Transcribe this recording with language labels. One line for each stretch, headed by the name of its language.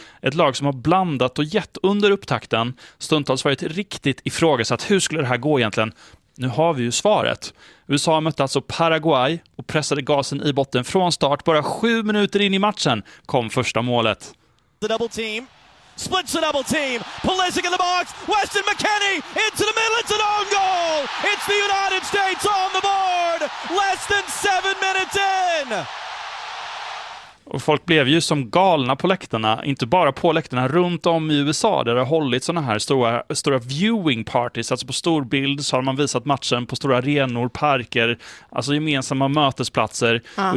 Swedish: Ett lag som har blandat och gett under upptakten, stundtals varit riktigt ifrågasatt. Hur skulle det här gå egentligen? Nu har vi ju svaret. USA mötte alltså Paraguay och pressade gasen i botten från start. Bara 7 minuter in i matchen kom första målet.
English: The double team. Splits the double team. Pulisic in the box. Weston McKennie into the middle. It's an own goal. It's the United States on the board. Less than 7 minutes in.
Swedish: Och folk blev ju som galna på läktarna, inte bara på läktarna, runt om i USA där det har hållit såna här stora viewing parties. Alltså på stor bild så har man visat matchen på stora arenor, parker, alltså gemensamma mötesplatser. Ja.